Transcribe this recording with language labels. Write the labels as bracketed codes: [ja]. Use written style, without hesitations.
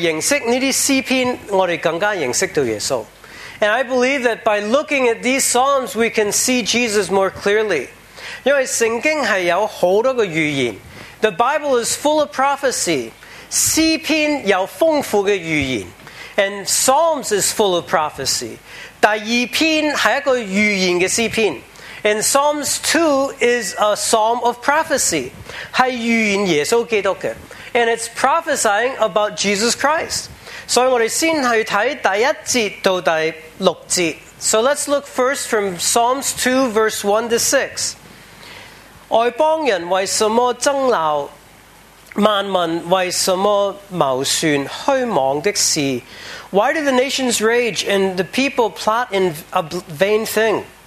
[zh] 我们相信当我们认识这些诗篇，我们更加认识到耶稣。 [en] And I believe that by looking at these psalms, we can see Jesus more clearly. [zh] 因为圣经是有很多的预言, [en] the Bible is full of prophecy. [zh] 诗篇有丰富的预言, [en] and Psalms is full of prophecy. [zh] 第二篇是一个预言的诗篇, [en] and Psalms 2 is a psalm of prophecy. [zh] 是预言耶稣基督的, [en] and it's prophesying about Jesus Christ. [zh] 所以我们先去看第一节到第六节. [en] So let's look first from Psalms 2, verse 1 to 6. [zh] 外邦人为什么争闹? 万民为什么谋算虚妄的事? [en] Why do the nations rage and the people plot in a vain thing?